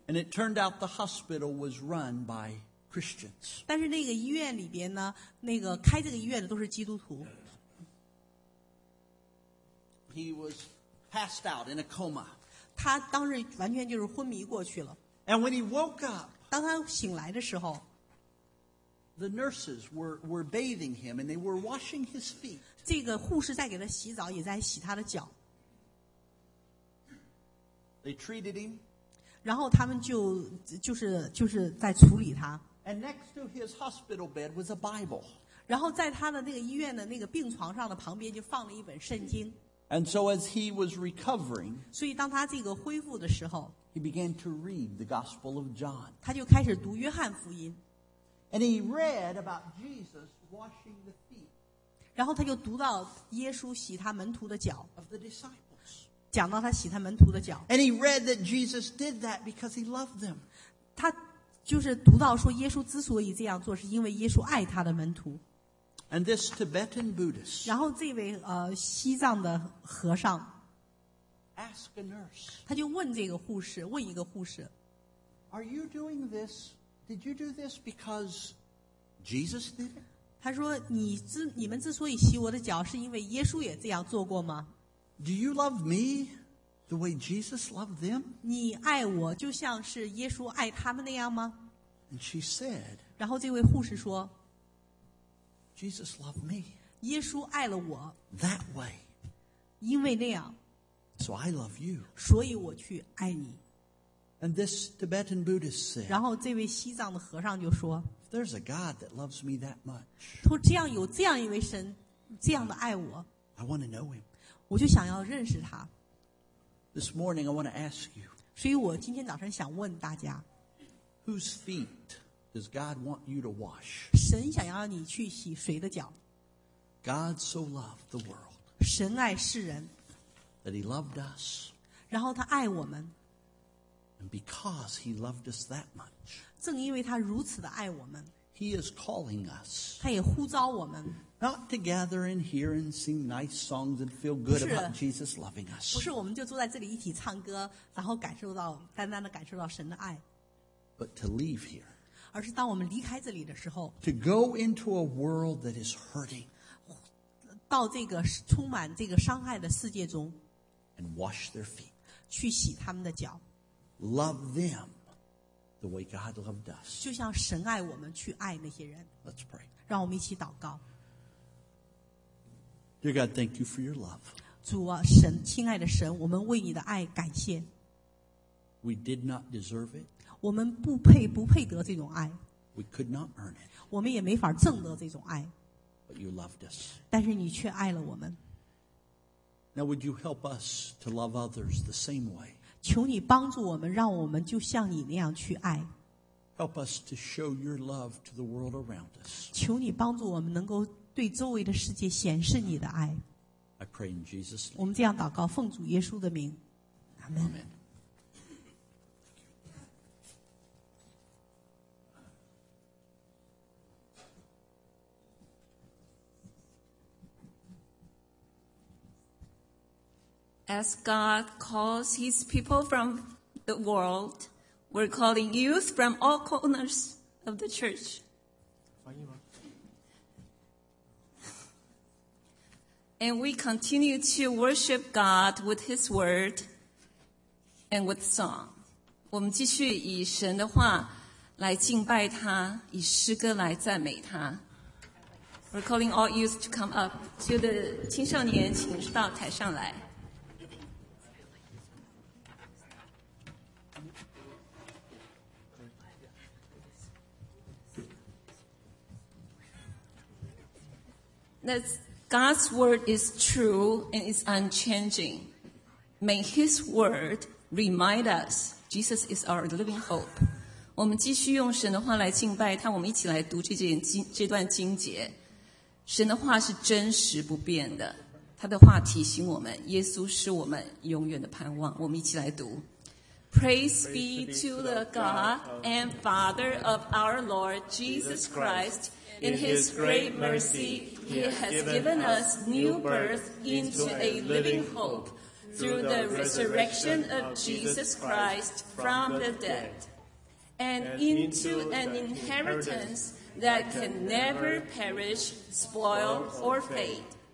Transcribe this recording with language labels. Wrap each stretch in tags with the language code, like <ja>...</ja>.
<en>And it turned out the hospital was run by Christians.</en> <zh>但是那个医院里边呢，那个开这个医院的都是基督徒。</zh> <en>He was passed out in a coma.</en> <zh>他当时完全就是昏迷过去了。</zh> <en>And when he woke up,</en> <zh>当他醒来的时候</zh> <en>the nurses were bathing him and they were washing his feet.</en> <zh>这个护士在给他洗澡，也在洗他的脚。</zh> <en>They treated him.</en> <zh>然后他们就是在处理他。</zh> <en>And next to his hospital bed was a Bible.</en> <zh>然后在他的那个医院的那个病床上的旁边就放了一本圣经。</zh> <en>And so as he was recovering,</en> <zh>所以当他这个恢复的时候,</zh> <en>he began to read the Gospel of John.</en> <zh>他就开始读约翰福音。</zh> <en>And he read about Jesus washing the feet.</en> <zh>然后他就读到耶稣洗他门徒的脚。</zh> <en>Of the disciples.</en> <zh>讲到他洗他门徒的脚。</zh> <en>And he read that Jesus did that because he loved them.</en> <zh>他就是读到说耶稣之所以这样做是因为耶稣爱他的门徒。</zh> <en>And this Tibetan Buddhist,</en> <zh>然后这位西藏的和尚</zh> <en>ask a nurse,</en> <zh>他就问这个护士，问一个护士</zh> <en>Are you doing this? Did you do this because Jesus did it?</en> <zh>他说 你们之所以洗我的脚是因为耶稣也这样做过吗？</zh> <en>Do you love me the way Jesus loved them?</en> <zh>你爱我就像是耶稣爱他们那样吗？</zh> <en>And she said,</en> <zh>然后这位护士说</zh> <en>Jesus loved me.</en> <zh>耶稣爱了我。</zh> <en>That way.</en> <zh>因为那样。</zh> <en>So I love you.</en> <zh>所以我去爱你。</zh> <en>And this Tibetan Buddhist said.</en> <zh>然后这位西藏的和尚就说。</zh> <en>If there's a God that loves me that much.</en> <zh>说这样有这样一位神，这样的爱我。</zh> <en>I want to know him.</en> <zh>我就想要认识他。</zh> <en>This morning I want to ask you.</en> <zh>所以我今天早晨想问大家。</zh> <en>Whose feet? Does God want you to wash?</en> <zh>神想要你去洗谁的脚?</zh> <en>God so loved the world.</en> <zh>神爱世人。</zh> <en>That he loved us.</en> <zh>然后他爱我们。</zh> <en>And because he loved us that much.</en> <zh>正因为他如此的爱我们。</zh> <en>He is calling us.</en> <zh>他也呼召我们。</zh> <en>Not to gather in here and sing nice songs and feel good about Jesus loving us.</en> <zh>不是我们就坐在这里一起唱歌然后感受到单单的感受到神的爱。</zh> <en>But to leave here.</en> <zh>而是当我们离开这里的时候</zh> <en>to go into a world that is hurting</en> <zh>到这个充满这个伤害的世界中</zh> <en>and wash their feet</en> <zh>去洗他们的脚</zh> <en>love them the way God loved us</en> <zh>就像神爱我们去爱那些人</zh> <en>let's pray</en> <zh>让我们一起祷告</zh> <en>Dear God, thank you for your love</en> <zh>主啊神亲爱的神我们为你的爱感谢</zh> <en>We did not deserve it</en> <zh>我们不配得这种爱</zh> <en>We could not earn it.</en> <zh>我们也没法挣得这种爱</zh> <en>But you loved us.</en> <zh>但是你却爱了我们</zh> <en>Now would you help us to love others the same way?</en> <zh>求你帮助我们让我们就像你那样去爱</zh> <en>Help us to show your love to the world around us.</en> <zh>求你帮助我们能够对周围的世界显示你的爱</zh> <en>I pray in Jesus' name.</en> <zh>我们这样祷告奉主耶稣的名</zh> <en>Amen. Amen. As God calls his people from the world, we're calling youth from all corners of the church. And we continue to worship God with his word and with song.</en> <zh>我们继续以神的话来敬拜他，以诗歌来赞美他。</zh> <en>We're calling all youth to come up.</en> <zh>所有的青少年请到台上来。</zh> <en>That God's word is true and is unchanging. May his word remind us Jesus is our living hope.</en> <zh>我们继续用神的话来敬拜他，我们一起来读这段经节。神的话是真实不变的，他的话提醒我们，耶稣是我们永远的盼望。我们一起来读。</zh> <en>Praise be to the God and Father of our Lord Jesus Christ. In his great mercy, he has given us new birth into a living hope through the resurrection of Jesus Christ from the dead and into an inheritance that can never perish, spoil, or fade.</en>